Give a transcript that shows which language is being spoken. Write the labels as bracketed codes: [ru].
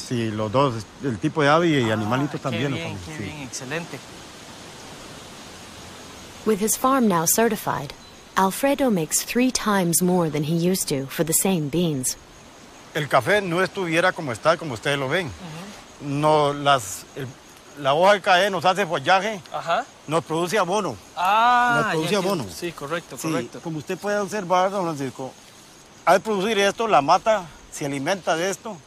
[es] Sí, los dos, el tipo de ave y animalito también. Qué bien, qué bien, excelente. [en] With his farm now certified, Alfredo makes 3 times more than he used to for the same beans. [es] El café no estuviera como está, como ustedes lo ven. Uh-huh. No, las, el, la hoja de café nos hace follaje, nos produce abono. Ah, nos produce abono. Sí, correcto, correcto. Sí, como usted puede observar, don Francisco, al producir esto, la mata se alimenta de esto.